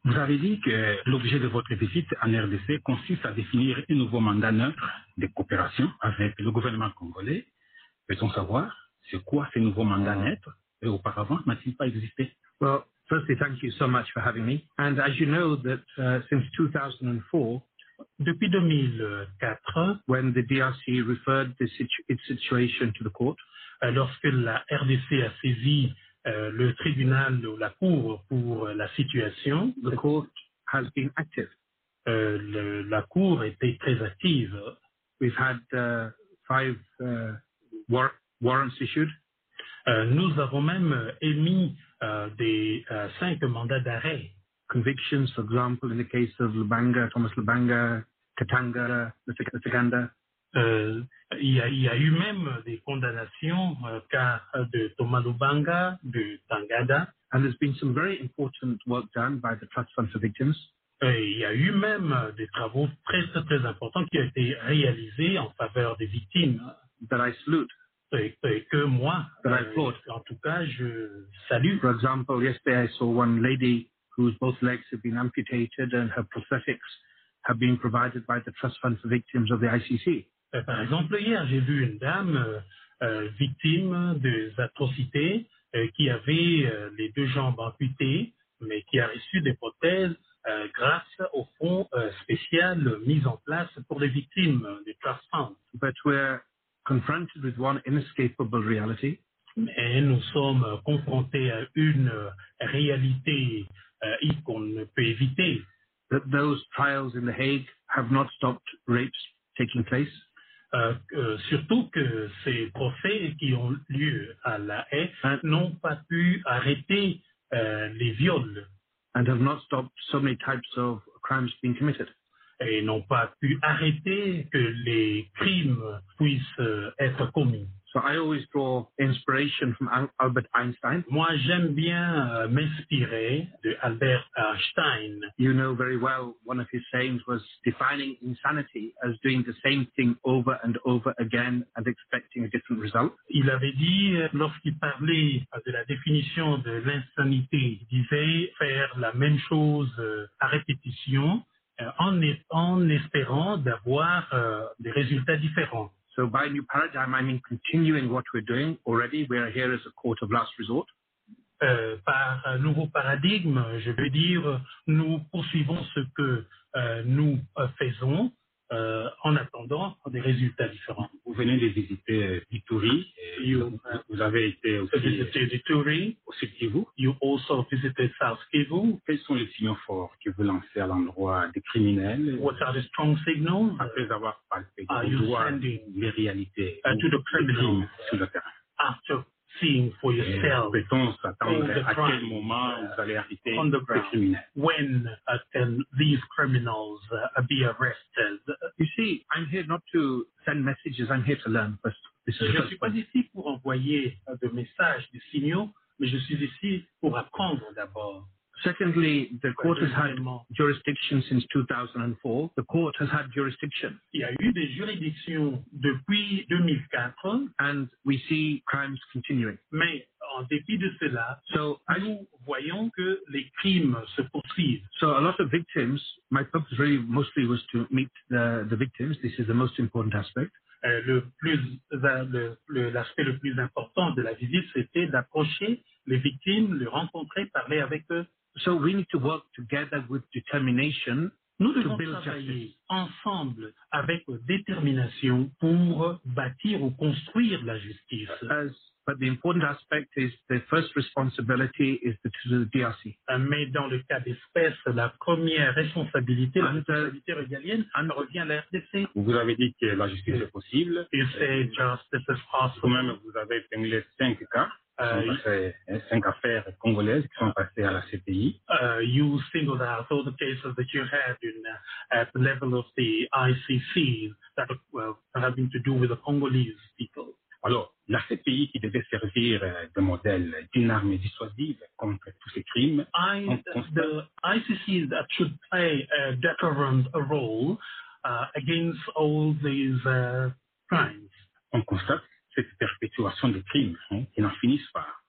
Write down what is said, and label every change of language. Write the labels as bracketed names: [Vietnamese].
[French] Vous avez dit que l'objet de votre visite en RDC consiste à définir un nouveau mandat neutre de coopération avec le gouvernement congolais. Peut-on savoir c'est quoi ce nouveau mandat neutre et auparavant n'a-t-il pas existé? [English] Well, firstly, thank you so much for having me. And as you know, that since 2004, [French] depuis 2004, [English] when the DRC referred the its situation to the court, [French] lorsque la RDC a saisi le tribunal ou la cour pour la situation, [English] the court has been active. [French] La cour était très active. [English] We've had five warrants issued. [French] Nous avons même émis cinq mandats d'arrêt. [English] Convictions, for example, in the case of Lubanga, Thomas Lubanga, Katanga, the Seganda. [French] Il y a eu même des condamnations cas de Thomas Lubanga, de Tangada. [English] And there's been some very important work done by the Trust Fund for Victims. [French] Il y a eu même des travaux très, très, très importants qui ont été réalisés en faveur des victimes. [English] That I salute. [French] Et que moi, en tout cas, je salue. [English] For example, yesterday I saw one lady whose both legs have been amputated and her prosthetics have been provided by the Trust Fund for Victims of the ICC. [French] Par exemple, hier, j'ai vu une dame victime des atrocités qui avait les deux jambes amputées, mais qui a reçu des prothèses grâce au fonds spécial mis en place pour les victimes des Trust Fund. [English] But we're confronted with one inescapable reality. [French] Mais nous sommes confrontés à une réalité qu'on ne peut éviter. [English] That those trials in The Hague have not stopped rapes taking place. [French] Surtout que ces procès qui ont lieu à La Haye n'ont pas pu arrêter les viols. [English] And have not stopped so many types of crimes being committed. [French] Et n'ont pas pu arrêter que les crimes puissent être commis. [English] So I always draw inspiration from Albert Einstein. [French] Moi, j'aime bien m'inspirer de Albert Einstein. [English] You know very well one of his sayings was defining insanity as doing the same thing over and over again and expecting a different result. [French] Il avait dit, lorsqu'il parlait de la définition de l'insanité, il disait faire la même chose à répétition en espérant d'avoir des résultats différents. [English] So by new paradigm, I mean continuing what we're doing already. We are here as a court of last resort. [French] Par nouveau paradigme, je veux dire, nous poursuivons ce que nous faisons en attendant des résultats différents. Vous venez de visiter Ituri. Vous avez été aussi au Sud-Kivu. [English] You also visited South Kivu. [French] Quels sont les signaux forts que vous lancez à l'endroit des criminels? [English] What are the strong signals? [French] Après avoir palpé les réalités [English] to the criminals [French] sur le terrain. [English] After seeing for yourself. [French] Peut-on s'attendre à quel moment vous allez arrêter les criminels? [English] When can these criminals be arrested? You see, I'm here not to send messages. I'm here to learn first. [French] Je ne suis pas ici pour envoyer de messages, de signaux, mais je suis ici pour apprendre d'abord. [English] Secondly, the court has had jurisdiction since 2004. The court has had jurisdiction. [French] Il y a eu des juridictions depuis 2004. [English] And we see crimes continuing. [French] Mais en dépit de cela, nous voyons que les crimes se poursuivent. [English] So a lot of victims, my purpose really mostly was to meet the victims. This is the most important aspect. [French] L'aspect le plus important de la visite, c'était d'approcher les victimes, les rencontrer, parler avec eux. [English] So we need to work together with determination [French] nous [English] to build justice. [French] Ensemble avec détermination pour bâtir ou construire la justice. [English] But the important aspect is the first responsibility is to the DRC. [French] Mais dans le cas d'espèce, la première responsabilité, la responsabilité régalienne, elle revient à la RDC. Vous avez dit que la justice est possible. [English] You say justice is possible. [French] Vous-même, vous avez épinglé cinq cas. Cinq affaires congolaises qui sont passées à la CPI. [English] You singled out all the cases that you had at the level of the ICC that have been to do with the Congolese people. [French] Alors, la CPI qui devait servir de modèle d'une arme dissuasive contre tous ces crimes. [English] The ICC that should play a deterrent role against all these crimes. [French] On constate cette perpétuation des crimes qui n'en finissent pas.